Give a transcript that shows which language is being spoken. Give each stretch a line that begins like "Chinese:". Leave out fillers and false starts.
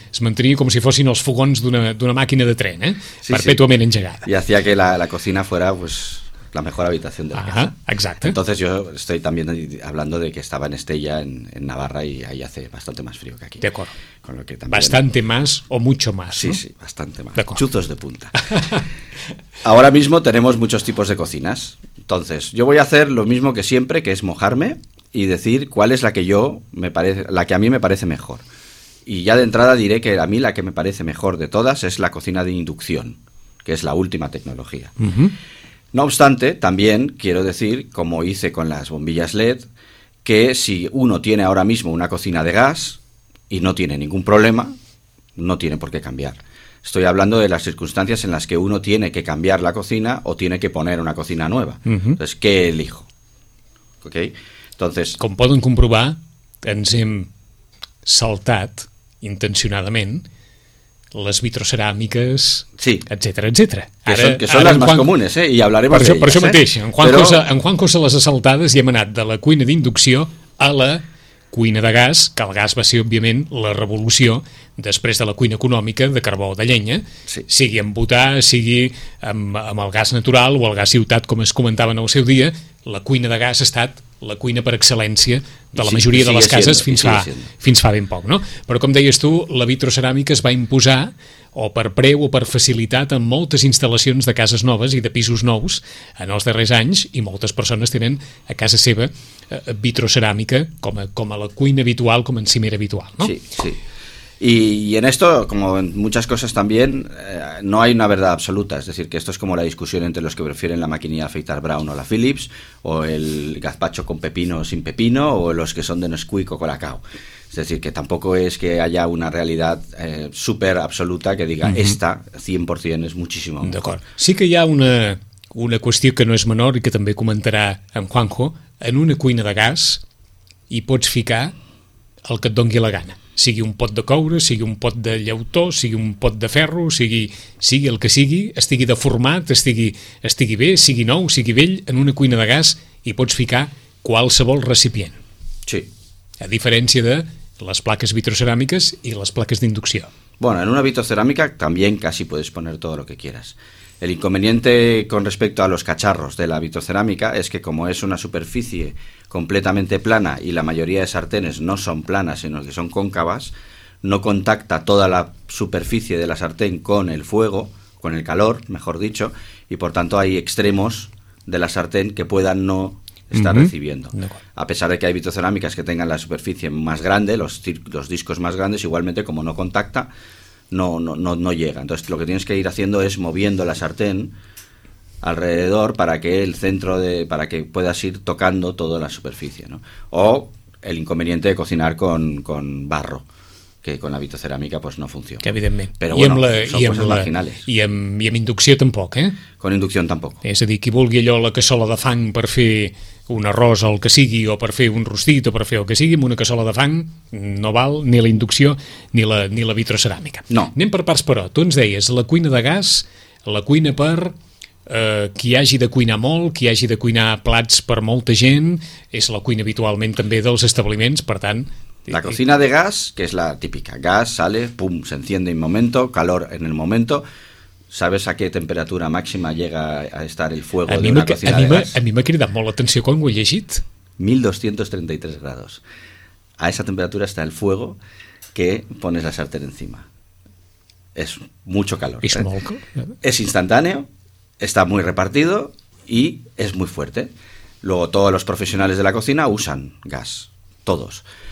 Catalan: Es mantenia com si fossin els fogons d'una màquina de tren, sí, perpètuament sí. Engegada.
Spanish: I hacía que la cocina fuera pues, la mejor habitación de la casa.
Catalan: Exacte.
Spanish: Entonces yo estoy también hablando de que estaba en Estella, en Navarra, y ahí hace bastante más frío que aquí. De acuerdo. Con lo que también... Bastante más o mucho más, sí, Sí, bastante más. De acuerdo. Chuzos de punta. Ahora mismo tenemos muchos tipos de cocinas. Entonces, yo voy a hacer lo mismo que siempre, que es mojarme y decir cuál es la que a mí me parece mejor. Y ya de entrada diré que a mí la que me parece mejor de todas es la cocina de inducción, que es la última tecnología. No obstante, también quiero decir, como hice con las bombillas LED, que si uno tiene ahora mismo una cocina de gas y no tiene ningún problema, no tiene por qué cambiar. Estoy hablando de las circunstancias en las que uno tiene que cambiar la cocina o tiene que poner una cocina nueva. Entonces, ¿qué elijo? ¿Ok? Entonces,
Catalan: com poden comprovar, ens hem saltat intencionadament les vitroceràmiques, sí, etc, etc. Que són les Juan... més comunes, eh? I hablarem per això, per això mateix. En Juan però... Cosa, en Juan Cosa les assaltades, hi hem anat de la cuina d'inducció a la cuina de gas, que el gas va ser, òbviament, la revolució després de la cuina econòmica de carbó o de llenya, sí, sigui amb butà, sigui amb el gas natural o el gas ciutat, com es comentava en el seu dia, la cuina de gas ha estat la cuina per excel·lència de la majoria de les cases fins fa ben poc, no? Però, com deies tu, la vitroceràmica es va imposar o per preu o per facilitat en moltes instal·lacions de cases noves i de pisos nous en els darrers anys, i moltes persones tenen a casa seva vitroceràmica com a la cuina habitual, com a encimera habitual, no? Sí, sí.
Spanish: Y en esto, como en muchas cosas también, no hay una verdad absoluta. Es decir, que esto es como la discusión entre los que prefieren la maquinilla afeitar Braun o la Philips, o el gazpacho con pepino o sin pepino, o los que son de Nesquik o Colacao. Es decir, que tampoco es que haya una realidad súper absoluta que diga esta 100% es muchísimo mejor.
Catalan: D'acord. Sí que hi ha una qüestió que no és menor i que també comentarà en Juanjo. En una cuina de gas hi pots ficar el que et doni la gana. Sigui un pot de coure, sigui un pot de llautó, sigui un pot de ferro, sigui el que sigui, estigui deformat, estigui bé, sigui nou, sigui vell, en una cuina de gas hi pots ficar qualsevol recipient. Sí. A diferència de les plaques vitroceràmiques i les plaques d'inducció.
Spanish: Bueno, en una vitrocerámica también casi puedes poner todo lo que quieras. El inconveniente con respecto a los cacharros de la vitrocerámica es que, como es una superficie completamente plana y la mayoría de sartenes no son planas sino que son cóncavas, no contacta toda la superficie de la sartén con el fuego, con el calor, mejor dicho, y por tanto hay extremos de la sartén que puedan no estar recibiendo. A pesar de que hay vitrocerámicas que tengan la superficie más grande, los discos más grandes, igualmente como no contacta, no llega. Entonces lo que tienes que ir haciendo es moviendo la sartén alrededor para que el centro de para que puedas ir tocando toda la superficie, ¿no? O el inconveniente de cocinar con barro, que con la vitrocerámica pues no funciona.
Catalan: Que evidentment. Però bueno, són coses marginals. I amb inducció tampoc, eh? Con inducció tampoc. És a dir, qui vulgui allò, la cassola de fang per fer un arròs o el que sigui, o per fer un rostit o per fer el que sigui, amb una cassola de fang no val ni la inducció ni la vitroceràmica. No. Anem per parts, però. Tu ens deies, la cuina de gas, la cuina per qui hagi de cuinar molt, qui hagi de cuinar plats per molta gent, és la cuina habitualment també dels establiments, per tant...
Spanish: La cocina de gas, que es la típica, gas, sale, pum, se enciende en momento, calor en el momento, ¿sabes a qué temperatura máxima llega a estar el fuego de una cocina de gas?
Catalan: A mi m'ha cridat molt l'atenció quan ho he llegit.
Spanish: 1233 grados. A esa temperatura está el fuego que pones la sartén encima. Es mucho calor. Es, es instantáneo, está muy repartido y es muy fuerte. Luego todos los profesionales de la cocina usan gas, todos.